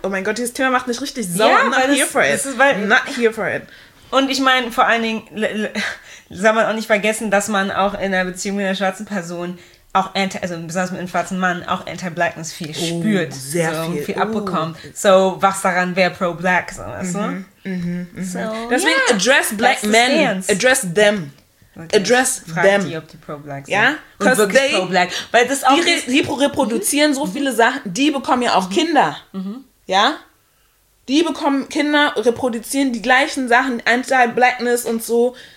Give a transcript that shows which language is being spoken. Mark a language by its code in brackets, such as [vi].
[de] Oh mein Gott, dieses Thema macht mich richtig sauer. [en] Not here for it. [de] Und ich meine, vor allen Dingen soll man auch nicht vergessen, dass man auch in einer Beziehung mit einer schwarzen Person auch, also besonders mit einem schwarzen Mann, auch Anti-Blackness viel spürt. Sehr so, viel. Viel abbekommt. So, was daran wäre pro-black, so was, ne? So, deswegen [en] address black men, address them, address them. [de] Frag [en] them. [de] Die, ob die pro-black sind. Ja, weil das auch die reproduzieren so viele Sachen, die bekommen ja auch Kinder. Ja, die bekommen Kinder, reproduzieren die gleichen Sachen, Anti-Blackness und so.